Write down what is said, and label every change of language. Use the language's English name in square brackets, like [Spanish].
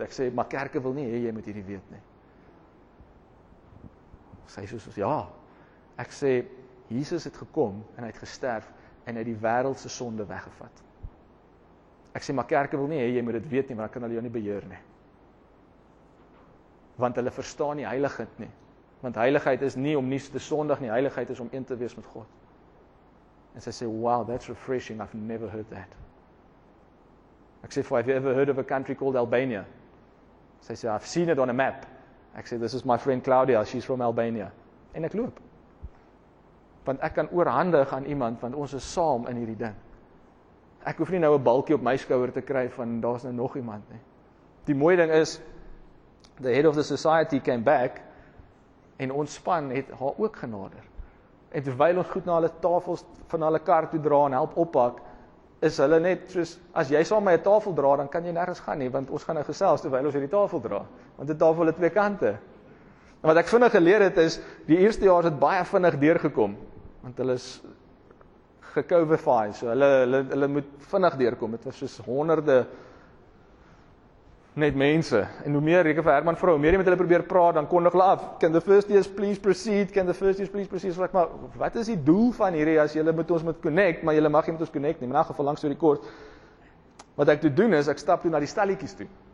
[Afrikaans] Ek sê, maar kerke wil nie, hê, jy moet hierdie weet nie. Sy sê soos, ja. Ek sê, Jesus het gekom en hy het gesterf en hy het die wêreldse sonde weggevat. Ek sê, maar kerke wil nie, jy moet dit weet nie, maar dan kan hulle jou nie beheer nie. Want hulle verstaan nie heiligheid nie. Want heiligheid is nie om nie te sondig nie, heiligheid is om een te wees met God. En sy sê, [English] wow, that's refreshing, I've never heard that. [Afrikaans] Ek sê, [English] have you ever heard of a country called Albania? [Afrikaans] Sy sê, [English] I've seen it on a map. [Afrikaans] Ek sê, [English] this is my friend Claudia, she's from Albania. [Afrikaans] En ek loop. Want ek kan oorhandig aan iemand, want ons is saam in hierdie ding. Ek hoef nie nou 'n balkie op my skouer te kry van daar's nou nog iemand nie. Die mooie ding is [English] the head of the society came back [Afrikaans] en ons span het haar ook genader. En terwyl ons goed na hulle tafels van hulle kar toe dra en help oppak, is hulle net soos as jy saam met 'n tafel dra, dan kan jy nêrens gaan nie want ons gaan nou gesels terwyl ons hierdie tafel dra, want 'n tafel het twee kante. En wat ek vinnig geleer het is die eerste jaar het baie vinnig deurgekom want hulle is gecovify, so hulle moet vinnig deurkom, het was soos honderde net mense, en hoe meer, Reke van Herman vrou, hoe meer jy met hulle probeer praat, dan kondig hulle af, [English] can the first years please proceed, [Afrikaans] so ek, maar wat is die doel van hierdie, as julle met ons moet connect, maar julle mag nie met ons connect nie, maar in geval langs die kort, wat ek toe doen is, ek stap toe na die stalletjies toe,